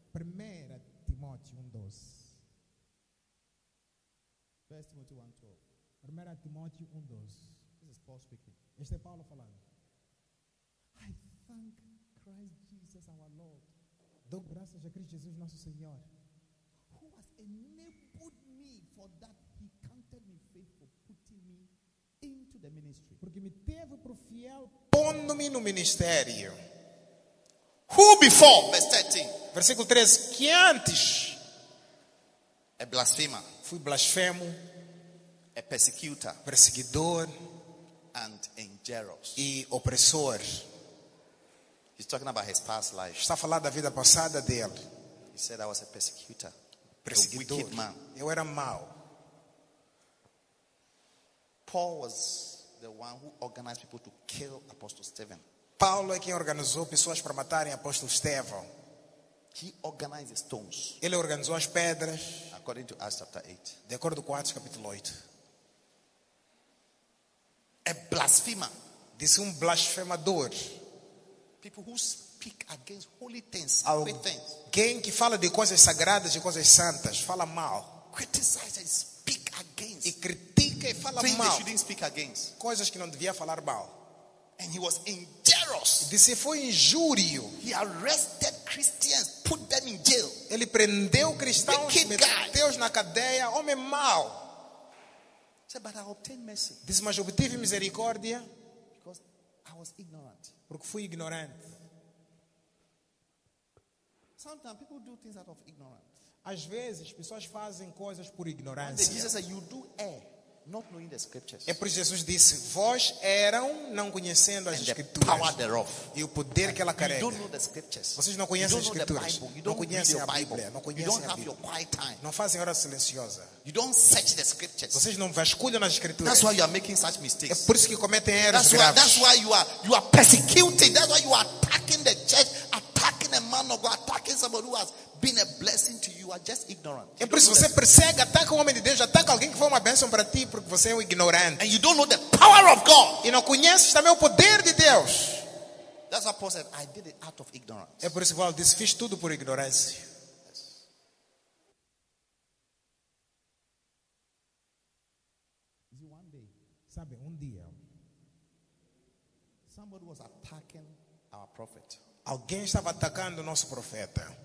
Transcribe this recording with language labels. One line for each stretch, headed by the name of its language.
Portuguese: Primeira Timóteo 1, 12.
English: 1 Timothy 1, 12.
Portuguese: Primeira Timóteo 1, 12.
English: This is Paul speaking.
Portuguese: Este é Paulo falando.
English: I thank Christ Jesus our Lord.
Portuguese: Dou graças a Cristo Jesus nosso Senhor.
English: Who has enabled me for that he counted me faithful, putting me into the ministry.
Portuguese: Porque me teve por fiel, pondo-me no ministério.
English: Who before? Verse 13.
Portuguese: Versículo 13. Que antes? A blasfema. Fui blasfemo.
English: A persecutor.
Portuguese: Perseguidor.
English: And injurious.
Portuguese: E opressor.
English: He's talking about his past life.
Portuguese: Está falando da vida passada dele.
English: He said I was a persecutor.
Portuguese: perseguidor.
English: A wicked man.
Portuguese: Eu era mau.
English: Paul was the one who organized people to kill Apostle Stephen.
Portuguese: Paulo é quem organizou pessoas para matarem Apóstolo Estevão.
English: He organized the stones.
Portuguese: Ele organizou as pedras.
English: According to Acts chapter 8.
Portuguese: De acordo com Atos capítulo 8.
English: A blasphemer.
Portuguese: Disse blasfemador.
English: People who speak against holy things.
Portuguese: Alguém que fala de coisas sagradas e coisas santas, fala mal.
English: Criticize and speak against.
Portuguese: E critica e fala
English: things
Portuguese: mal.
English: They shouldn't speak against.
Portuguese: Coisas que não devia falar mal.
English: And he was injurious.
Portuguese: Disse foi injúrio.
English: He arrested Christians, put them in jail.
Portuguese: Ele prendeu cristãos, meteu na cadeia, homem mau. Disse, mas obtive misericórdia
English: because I was ignorant.
Portuguese: Porque fui ignorante.
English: Sometimes people do things out of ignorance.
Portuguese: Às vezes pessoas fazem coisas por ignorância.
English: And Jesus said, you do err, not knowing the scriptures.
Portuguese: É por isso que Jesus disse, vós eram não conhecendo as
English: and
Portuguese: escrituras.
English: The power thereof.
Portuguese: E o poder
English: and
Portuguese: que ela carrega.
English: You don't know the scriptures.
Portuguese: Vocês não conhecem as escrituras. Não conhecem a Bíblia. Não conhecem a Bíblia. Não fazem hora silenciosa.
English: You don't search the scriptures.
Portuguese: Vocês não vasculham nas escrituras.
English: That's why you are making such mistakes.
Portuguese: É por isso que cometem erros graves.
English: That's why you are persecuting. That's why you are attacking the church, attacking a man of God, attacking somebody who has been a blessing to you. You are just ignorant.
Portuguese: É por isso que você persegue, ataca um homem de Deus, ataca alguém que foi uma bênção para ti, porque você é um ignorante.
English: And you don't know the power of God.
Portuguese: E não conheces também o poder de Deus.
English: That's why Paul said, I did it out of ignorance.
Portuguese: É por isso que Paulo disse, fiz tudo por ignorância. Sabe, dia
English: somebody was attacking our prophet.
Portuguese: Alguém estava atacando o nosso profeta.